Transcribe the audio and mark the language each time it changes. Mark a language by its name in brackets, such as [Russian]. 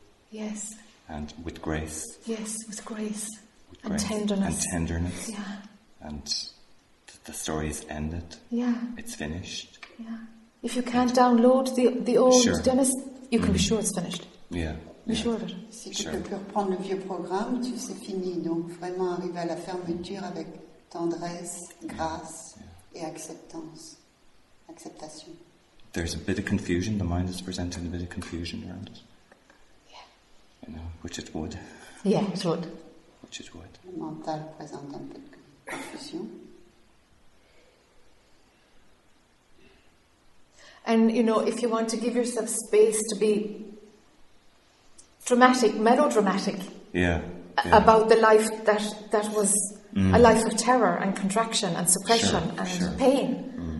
[English] Yes. And with grace. Yes, with grace. Tenderness. And tenderness. Yeah. And the story is ended. Yeah. It's finished. Yeah. If you can't download the old Dennis, you can be sure it's finished. Yeah. Be sure of it. [French] Si tu peux plus reprendre le vieux programme, tu sais, c'est fini. Donc vraiment arriver à la fermeture avec tendresse, grâce et acceptance. Acceptation. [English] There's a bit of confusion. The mind is presenting a bit of confusion around it. Which it would. Yeah, it would. Which it would. [French] Le mental présente un peu de confusion. [English] And you know, if you want to give yourself space to be dramatic, melodramatic. Yeah. About the life that was a life of terror and contraction and suppression pain.